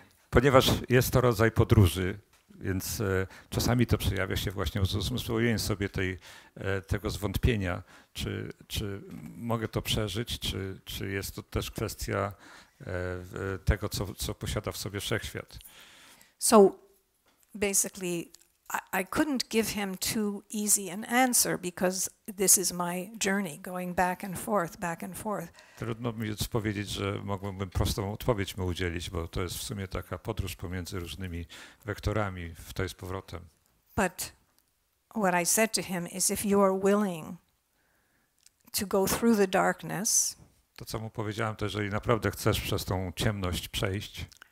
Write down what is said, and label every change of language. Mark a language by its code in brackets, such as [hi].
[pl] Ponieważ jest to rodzaj podróży, więc czasami to przejawia się właśnie w uzmysłowieniu sobie tego zwątpienia, czy mogę to przeżyć, czy jest to też kwestia tego, co posiada w sobie wszechświat. [en] So basically I couldn't give him too easy an answer because this is my journey going back and forth. [pl] Trudno mi więc powiedzieć, że mogłbym prostą odpowiedź mu udzielić, bo to jest w sumie taka podróż pomiędzy różnymi wektorami, w to jest powrotem. [en] But what I said to him is if you are willing to go through the darkness. [pl] To, co mu powiedziałem, to jeżeli naprawdę chcesz przez tą ciemność przejść.